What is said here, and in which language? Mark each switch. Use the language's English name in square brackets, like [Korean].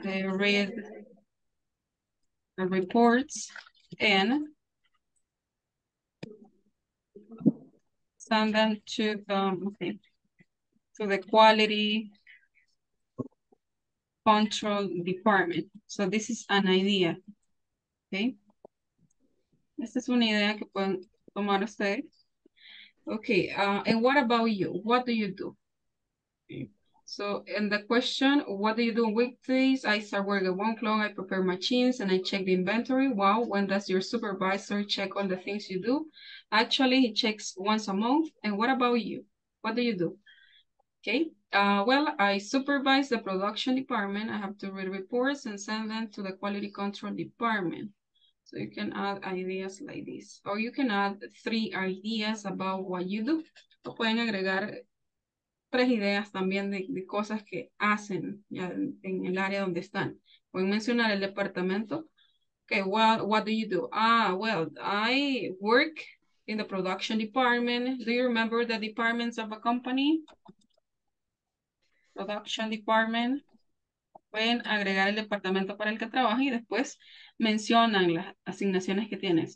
[English] I read the reports and send them to the, okay, to the quality control department. So this is an idea, okay? [Spanish] Esta es una idea que pueden tomar ustedes. [English] Okay, and what about you? What do you do? So in the question, what do you do on weekdays? I start work at 1 o'clock, I prepare machines and I check the inventory. Wow, when does your supervisor check all the things you do? Actually, he checks once a month. And what about you? What do you do? Okay, well, I supervise the production department. I have to read reports and send them to the quality control department. So you can add ideas like this, or you can add three ideas about what you do. [Spanish] O pueden agregar tres ideas también de cosas que hacen ya en el área donde están. Pueden mencionar el departamento. [English] Okay, well, what do you do? Ah, well, I work in the production department. Do you remember the departments of a company? Production department. [Spanish] Pueden agregar el departamento para el que trabaja y después mencionan las asignaciones que tienes.